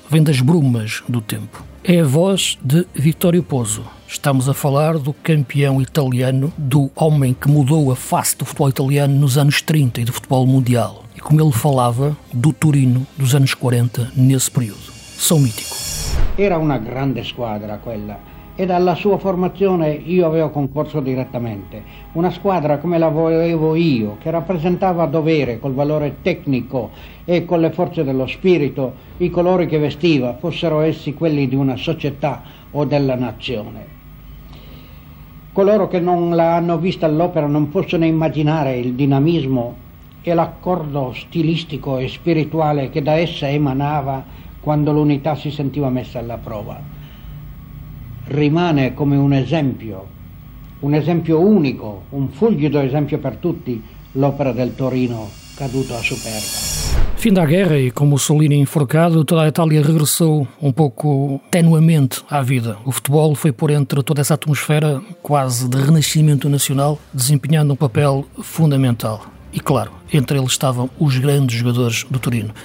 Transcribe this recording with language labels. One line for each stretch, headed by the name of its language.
Portuguese: Vem das brumas do tempo. É a voz de Vittorio Pozzo. Estamos a falar do campeão italiano, do homem que mudou a face do futebol italiano nos anos 30 e do futebol mundial. E como ele falava do Torino dos anos 40 nesse período. Som mítico.
Italian: Era uma grande squadra, quella. e dalla sua formazione io avevo concorso direttamente. Una squadra come la volevo io, che rappresentava a dovere, col valore tecnico e con le forze dello spirito, i colori che vestiva, fossero essi quelli di una società o della nazione. Coloro che non l'hanno vista all'opera non possono immaginare il dinamismo e l'accordo stilistico e spirituale che da essa emanava quando l'unità si sentiva messa alla prova. Rimane come un esempio unico, un fulgido esempio per tutti, l'opera del Torino caduto a Superga.
Portuguese: Fim da guerra e com Mussolini enforcado, toda a Itália regressou um pouco tenuamente à vida. O futebol foi por entre toda essa atmosfera quase de renascimento nacional, desempenhando um papel fundamental. E claro, entre eles estavam os grandes jogadores do Torino.